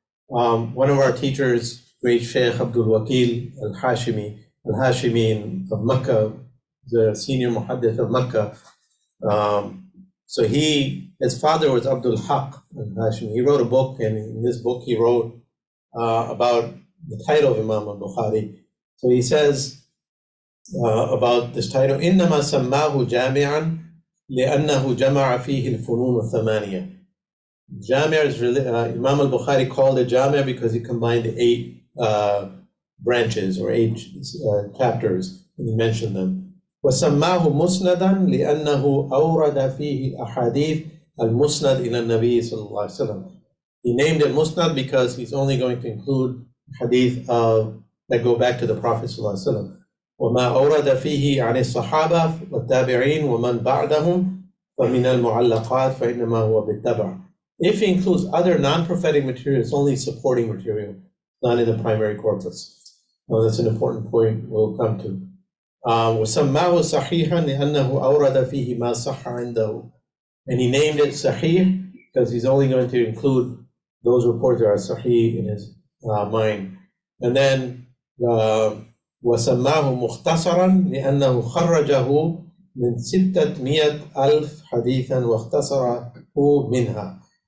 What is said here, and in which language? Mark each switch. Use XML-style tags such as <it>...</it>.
<en>One of our teachers, great Sheikh Abdul Wakil Al-Hashimi, Al-Hashimi of Mecca, the senior muhaddith of Mecca, so he, his father was Abdul Haq al-Hashimi. He wrote a book, and in this book he wrote about the title of Imam al-Bukhari. So he says about this title,</en> <ar>إِنَّمَا سَمَّاهُ جَامِعًا لِأَنَّهُ جَمَعَ فِيهِ الْفُنُونُ الثَّمَانِيَةِ.</ar> <en>Jami' is really, Imam al-Bukhari called it Jami' because he combined the eight branches or eight chapters, and he mentioned them.</en> <ar>وَسَمَّاهُ مُسْنَدًا لِأَنَّهُ أَوْرَدَ فِيهِ أَحَادِيثَ الْمُسْنَدْ إِلَى النَّبِيِّ صَلَّى اللَّهُ عَلَيْهِ وَسَلَّمَ.</ar> <en>He named it Musnad because he's only going to include hadith that go back to the Prophet</en> <ar>صلى الله عليه وسلم. وَمَا أَوْرَدَ فِيهِ عَنِ الصَّحَابَةِ وَالتَّابِعِينَ وَمَنْ بَعْدَهُمْ فَمِنَ الْمُعَلَّقَاتِ فَإِنَّمَا هُوَ بِالتَّبَعِ.</ar> <en>If he includes other non-prophetic material, it's only supporting material, not in the primary corpus. Now that's an important point we'll come to.</en> <ar>وَسَمَّاهُ صَحِيحًا لِأَنَّهُ أَوْرَدَ فِيهِ مَا صَحَّ عِنْدَهُ.</ar> <en>And he named it Sahih because he's only going to include those reports that are Sahih in his mind. And then</en> <ar>وَسَمَّاهُ مُخْتَصَرًا لِأَنَّهُ خَرَّجَهُ مِنْ 600,000 حَدِيثًا وَاخْتَصَرَهُ مِنْهَا.</ar>